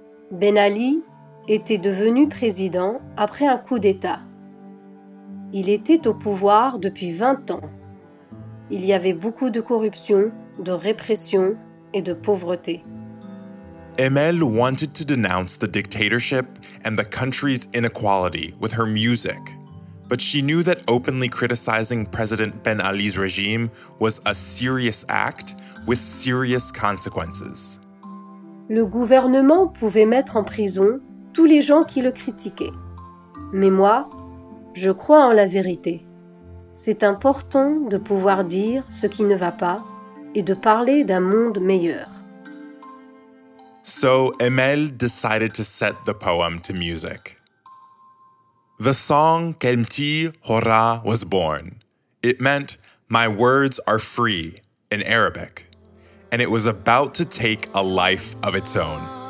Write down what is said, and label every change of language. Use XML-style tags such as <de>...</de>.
<fr>Ben Ali était devenu président après un coup d'État. Il était au pouvoir depuis 20 ans. Il y avait beaucoup de corruption, de répression et de pauvreté.</fr> <en>Emel wanted to denounce the dictatorship and the country's inequality with her music. But she knew that openly criticizing President Ben Ali's regime was a serious act with serious consequences.</en> <fr>Le gouvernement pouvait mettre en prison tous les gens qui le critiquaient. Mais moi, je crois en la vérité. C'est important de pouvoir dire ce qui ne va pas et de parler d'un monde meilleur.</fr> <en>So Emel decided to set the poem to music. The song Kelmti Hora was born. It meant, my words are free, in Arabic. And it was about to take a life of its own.</en>